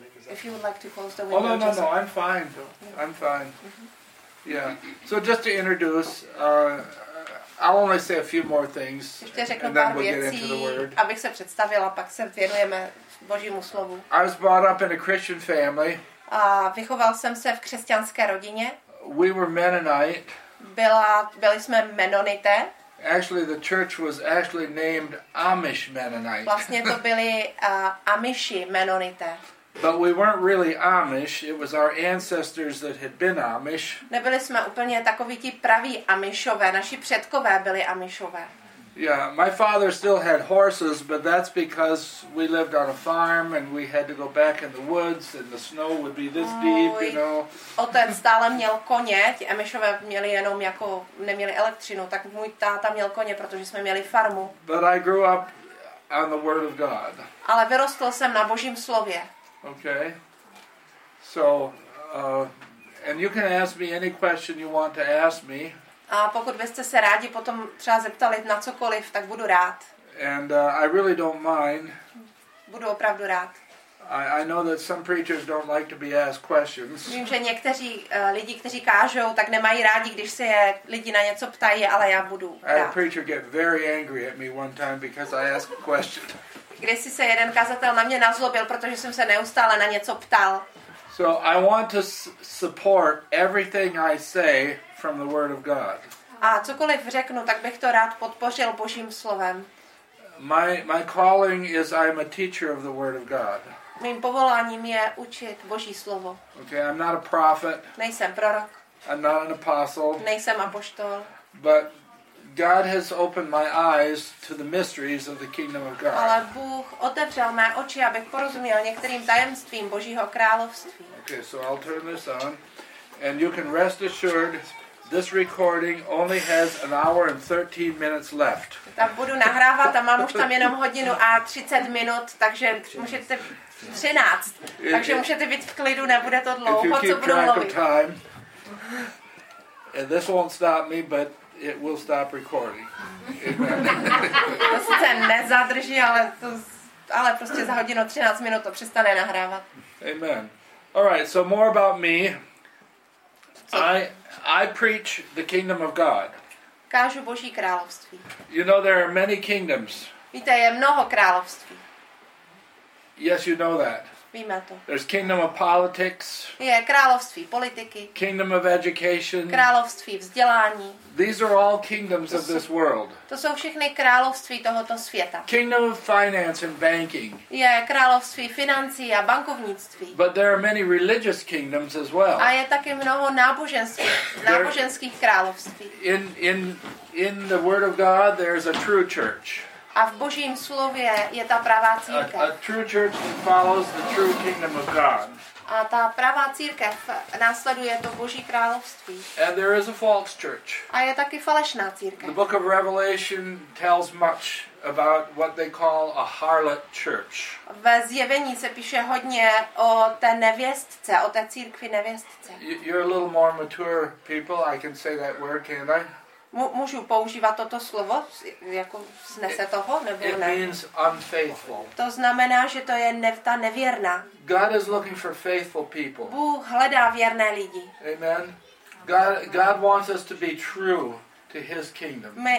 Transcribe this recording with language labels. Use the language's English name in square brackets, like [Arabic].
[English] If you would like to close the window. Oh, no, I'm fine. Yeah. So just to introduce, I'll only say a few more things and then we'll get into the word. [Czech] Abych se představila, pak se věnujeme Božímu slovu. [English] I was brought up in a Christian family. [Czech] A vychoval jsem se v křesťanské rodině. [English] We were Mennonite. [Czech] Byli jsme Mennonité. [English] Actually, the church was actually named Amish Mennonite. [Czech] Vlastně to byli Amishi Mennonité. [English] But we weren't really Amish. It was our ancestors that had been Amish. [Czech] Nebyli jsme úplně takoví ti praví Amishové. Naši předkové byli Amishové. [English] Yeah, my father still had horses, but that's because we lived on a farm and we had to go back in the woods and the snow would be this deep, you know. [Czech] Otec stále měl koně, ti Amishové měli jenom jako, neměli elektřinu, tak můj táta měl koně, protože jsme měli farmu. [English] But I grew up on the word of God. [Czech] Ale vyrostl jsem na Božím slově. [English] Okay. So, and you can ask me any question you want to ask me. [Czech] A pokud byste se rádi potom třeba zeptali na cokoliv, tak budu rád. [English] And I really don't mind. [Czech] Budu opravdu rád. [English] I know that some preachers don't like to be asked questions. [Czech] Vím, že někteří lidi, kteří kážou, tak nemají rádi, když se je lidi na něco ptají, ale já budu rád. [English] I had a preacher get very angry at me one time because I asked a question. [Czech] Když si se jeden kazatel na mě nazlobil, protože jsem se neustále na něco ptal. [English] So I want to support everything I say from the word of God. [Czech] A cokoliv řeknu, tak bych to rád podpořil Božím slovem. [English] My calling is I'm a teacher of the word of God. [Czech] Mým povoláním je učit Boží slovo. [English] Okay, I'm not a prophet. [Czech] Nejsem prorok. [English] I'm not an apostle. [Czech] Nejsem apoštol. [English] But God has opened my eyes to the mysteries of the kingdom of God. [Czech] Ale Bůh otevřel mé oči, abych porozuměl některým tajemstvím Božího království. [English] Okay, so I'll turn this on. And you can rest assured, this recording only has an hour and 13 minutes left. [Czech] Tak budu nahrávat a mám už tam jenom hodinu a 30 minut, takže můžete 13. Takže můžete být v klidu, nebude to dlouho, co budu mluvit. [English] Time, And this won't stop me, but it will stop recording. [Czech] To sice nezadrží, ale prostě za hodinu 13 minut to přestane nahrávat. [English] Amen. All right, so more about me. I preach the kingdom of God. [Czech] Kážu Boží království. [English] You know there are many kingdoms. [Czech] Víte, je mnoho království. [English] Yes, you know that. [Czech] Víme to. [English] There's kingdom of politics. [Czech] Je království politiky. [English] Kingdom of education. [Czech] Království vzdělání. [English] These are all kingdoms of this world. [Czech] To jsou všechny království tohoto světa. [English] Kingdom of finance and banking. [Czech] Je království financí a bankovnictví. [English] But there are many religious kingdoms as well. [Czech] A je taky mnoho náboženských království. [English] In the word of God there's a true church. [Czech] A v Božím slově je ta pravá církev. [English] A true church follows the true kingdom of God. [Czech] A ta pravá církev následuje to Boží království. [English] And there is a false church. [Czech] A je taky falešná církev. [English] The book of Revelation tells much about what they call a harlot church. [Czech] Ve Zjevení se píše hodně o té nevěstce, o té církvi nevěstce. [English] You're a little more mature people, I can say that word, can't I? [Czech] Můžu používat toto slovo, jako snese toho, nebo ne? [English] It means unfaithful. [Czech] To znamená, že to je ta nevěrná. [English] God is looking for faithful people. [Czech] Bůh hledá věrné lidi. [English] Amen. God wants us to be true to his kingdom.